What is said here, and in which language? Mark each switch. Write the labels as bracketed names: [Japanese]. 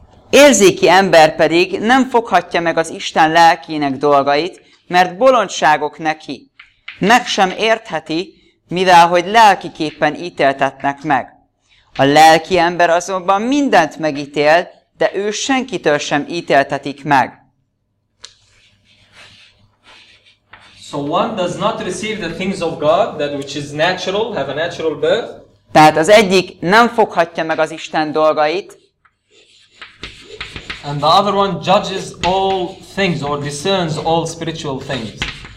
[Hungarian] Érzéki ember pedig nem foghatja meg az Isten lelkének dolgait, mert bolondságok neki. Meg sem értheti, mivel hogy lelkiképpen ítéltetnek meg. A lelki ember azonban mindent megítél, de ő senkitől sem ítéltetik meg. [English] So one does not receive the things of God, that which is natural, have a natural birth. [Hungarian] Tehát az egyik nem foghatja meg az Isten dolgait. [English] And the other one judges all things or discerns all spiritual things.